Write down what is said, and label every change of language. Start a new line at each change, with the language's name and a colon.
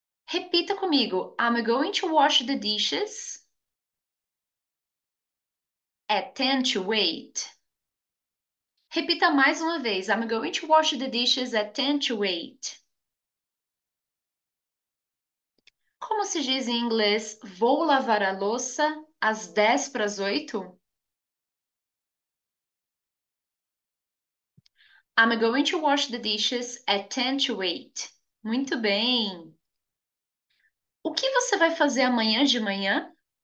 Portuguese: Repita comigo.
English: I'm going to wash the dishes at 10 to 8.
Portuguese: Repita mais uma vez.
English: I'm going to wash the dishes at 10 to 8.
Portuguese: Como se diz em inglês, vou lavar a louça às 10 para as 8?
English: I'm going to wash the dishes at 10 to 8.
Portuguese: Muito bem. O que você vai fazer amanhã de manhã?